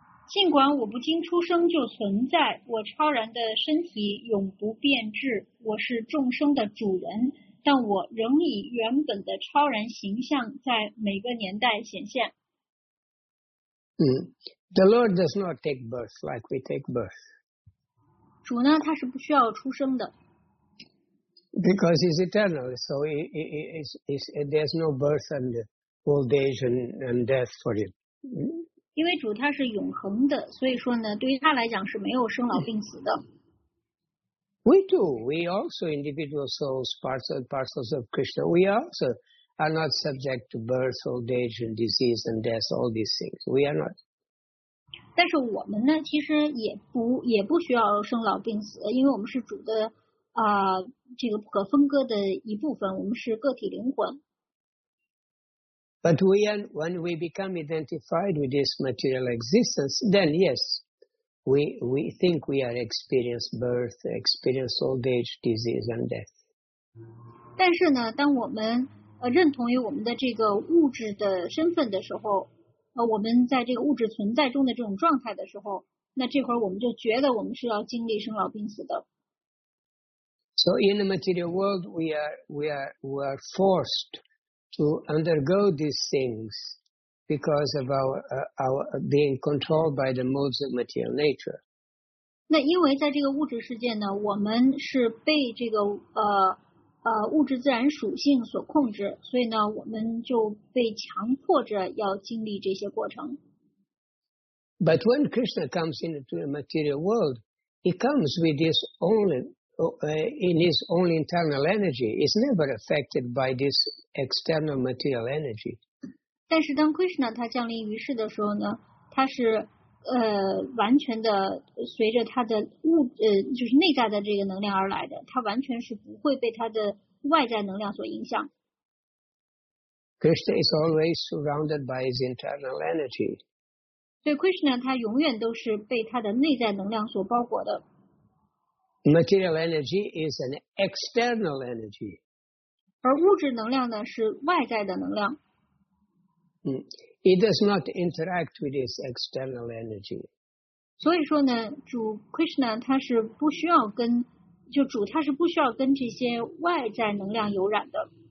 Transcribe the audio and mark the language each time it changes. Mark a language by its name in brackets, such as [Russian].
[Chinese] 尽管我不经出生就存在，我超然的身体永不变质，我是众生的主人，但我仍以原本的超然形象在每个年代显现。 [English] The Lord does not take birth like we take birth. [Chinese] 主呢，他是不需要出生的。 [English] Because he's eternal, so there's no birth and old age and death for him. [Chinese] 因为主他是永恒的，所以说呢，对于他来讲是没有生老病死的。 [English] We do. We also individual souls, parcels of Krishna. We also are not subject to birth, old age, and disease and death. All these things. We are not. [Chinese] 但是我们呢，其实也不需要生老病死，因为我们是主的这个不可分割的一部分。我们是个体灵魂。 [English] But when we become identified with this material existence, then yes, we think we are experienced birth, experienced old age, disease, and death. [Chinese] 但是呢，当我们认同于我们的这个物质的身份的时候，我们在这个物质存在中的这种状态的时候，那这会儿我们就觉得我们是要经历生老病死的。 [English] So in the material world, we are forced. To undergo these things because of our being controlled by the modes of material nature. [Chinese] 那因为在这个物质世界呢，我们是被这个物质自然属性所控制，所以呢，我们就被强迫着要经历这些过程。 [English] But when Krishna comes into the material world, he comes with his only. In his own internal energy, is never affected by this external material energy. [Chinese] 但是当 Krishna 他降临于世的时候呢，他是完全的随着他的就是内在的这个能量而来的，他完全是不会被他的外在能量所影响。 [English] Krishna is always surrounded by his internal energy. [Chinese] 所以 Krishna 他永远都是被他的内在能量所包裹的。 [English] Material energy is an external energy. [Chinese] 而物质能量呢是外在的能量。 [English] It does not interact with its external energy. [Chinese] 所以说呢，主 Krishna 他是不需要跟，就主他是不需要跟这些外在能量有染的。